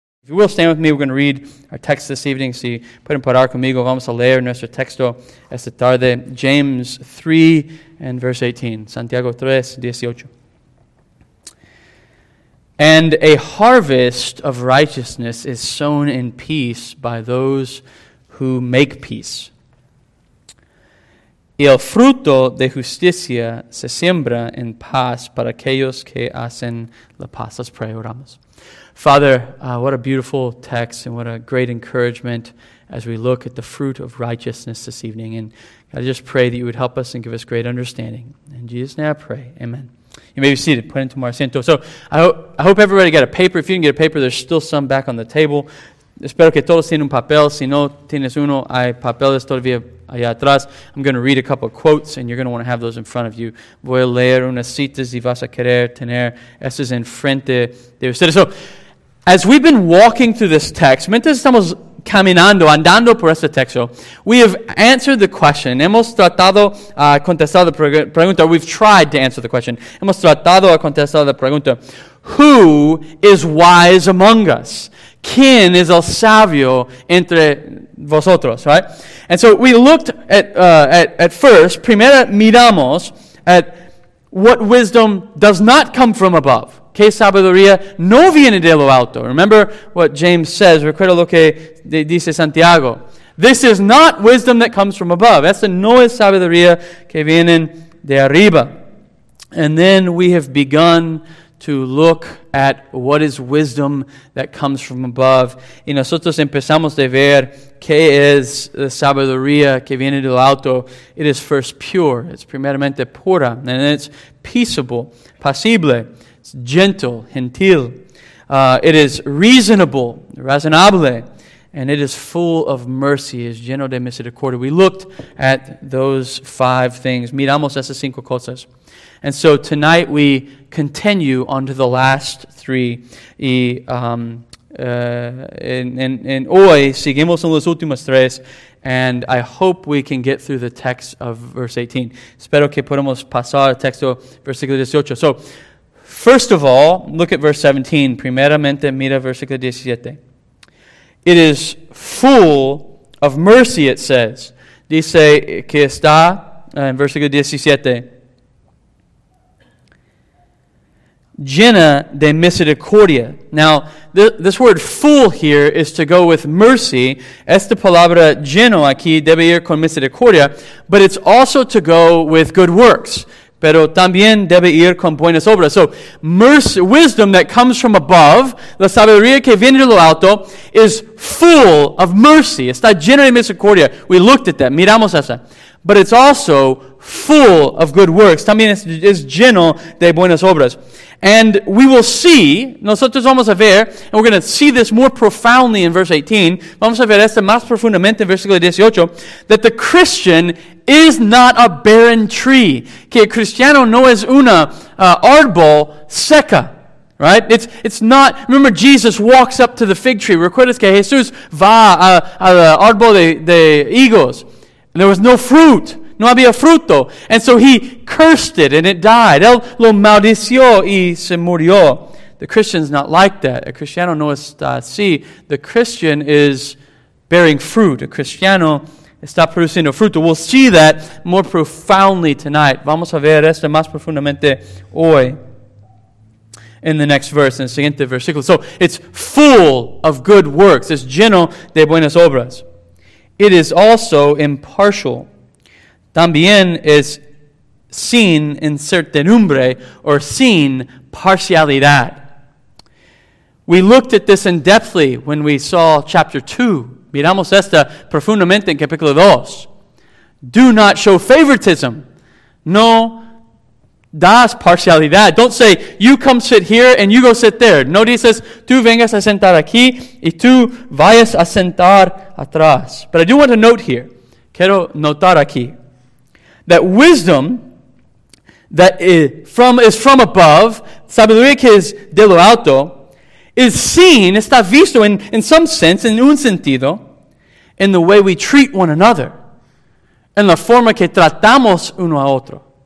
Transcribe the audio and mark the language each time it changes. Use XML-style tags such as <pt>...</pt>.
<en>If you will stand with me, we're going to read our text this evening.</en> <es>Si pueden parar conmigo, vamos a leer nuestro texto esta tarde.</es> <en>James 3 and verse 18. Santiago 3, 18. And a harvest of righteousness is sown in peace by those who make peace.</en> <es>Y el fruto de justicia se siembra en paz para aquellos que hacen la paz.</es> <en>Let's pray,</en> <es>oramos.</es> <en>Father, what a beautiful text and what a great encouragement as we look at the fruit of righteousness this evening. And God, I just pray that you would help us and give us great understanding. In Jesus' name I pray, amen. You may be seated. Put into more asiento. So I hope everybody got a paper. If you didn't get a paper, there's still some back on the table.</en> <es>Espero que todos tienen un papel. Si no tienes uno, hay papeles todavía allá atrás.</es> <en>I'm going to read a couple of quotes, and you're going to want to have those in front of you.</en> <es>Voy a leer unas citas y vas a querer tener esas en frente de ustedes.</es> <en>So, as we've been walking through this text,</en> <es>mientras estamos caminando, andando por este texto,</es> <en>we have answered the question.</en> <es>Hemos tratado a contestar la pregunta.</es> <en>We've tried to answer the question.</en> <es>Hemos tratado a contestar la pregunta.</es> <en>Who is wise among us?</en> <es>¿Quién es el sabio entre vosotros,</es> <en>right? And so we looked at first,</en> <es>primero miramos</es> <en>at what wisdom does not come from above.</en> <es>¿Qué sabiduría no viene de lo alto?</es> <en>Remember what James says,</en> <es>recuerda lo que dice Santiago.</es> <en>This is not wisdom that comes from above.</en> <es>Esta no es sabiduría que viene de arriba.</es> <en>And then we have begun to look at what is wisdom that comes from above.</en> <es>Y nosotros empezamos de ver qué es la sabiduría que viene del alto.</es> <en>It is first pure. It's</en> <es>primeramente pura.</es> <en>And it's peaceable,</en> <es>pasible.</es> <en>It's gentle,</en> <es>gentil.</es> <en>It is reasonable,</en> <es>razonable.</es> <en>And it is full of mercy, is</en> <es>lleno de misericordia.</es> <en>We looked at those five things.</en> <es>Miramos esas cinco cosas.</es> <en>And so tonight we continue on to the last three.</en> <es>Y en hoy seguimos en los últimos tres.</es> <en>And I hope we can get through the text of verse 18.</en> <es>Espero que podamos pasar el texto versículo 18.</es> <en>So, first of all, look at verse 17.</en> <es>Primeramente, mira versículo 17.</es> <en>It is full of mercy, it says.</en> <es>Dice que está en versículo 17. Llena de misericordia.</es> <en>Now, this word full here is to go with mercy.</en> <es>Esta palabra lleno aquí debe ir con misericordia.</es> <en>But it's also to go with good works.</en> <es>Pero también debe ir con buenas obras.</es> <en>So, mercy, wisdom that comes from above,</en> <es>la sabiduría que viene de lo alto,</es> <en>is full of mercy.</en> <es>Está llena de misericordia.</es> <en>We looked at that.</en> <es>Miramos esa.</es> <en>But it's also full of good works.</en> <es>También es lleno de buenas obras.</es> <en>And we will see,</en> <es>nosotros vamos a ver,</es> <en>and we're going to see this more profoundly in verse 18,</en> <es>vamos a ver esto más profundamente en versículo 18,</es> <en>that the Christian is not a barren tree.</en> <es>Que el cristiano no es una árbol seca.</es> <en>Right? It's not, remember Jesus walks up to the fig tree.</en> <es>Recuerdas que Jesús va a la árbol de higos.</es> <en>And there was no fruit.</en> <es>No había fruto.</es> <en>And so he cursed it and it died.</en> <es>Él lo maldició y se murió.</es> <en>The Christian's not like that.</en> <es>A cristiano no está así.</es> <en>The Christian is bearing fruit.</en> <es>A cristiano está produciendo fruto.</es> <en>We'll see that more profoundly tonight.</en> <es>Vamos a ver esto más profundamente hoy.</es> <en>In the next verse, in the</en> <es>siguiente versículo.</es> <en>So it's full of good works. It's</en> <es>lleno de buenas obras.</es> <en>It is also impartial.</en> <es>También es sin incertidumbre or sin parcialidad.</es> <en>We looked at this in depthly when we saw chapter 2.</en> <es>Miramos esta profundamente en capítulo 2.</es> <en>Do not show favoritism.</en> <es>No das parcialidad.</es> <en>Don't say, you come sit here and you go sit there.</en> <es>No dices, tú vengas a sentar aquí y tú vayas a sentar atrás.</es> <en>But I do want to note here.</en> <es>Quiero notar aquí.</es> <en>That wisdom that is from above,</en> <es>sabiduría que es de lo alto,</es> <en>is seen,</en> <es>está visto</es> <en>in some sense, in</en> <es>un sentido,</es> <en>in the way we treat one another,</en> <es>en la forma que tratamos uno a otro.</es>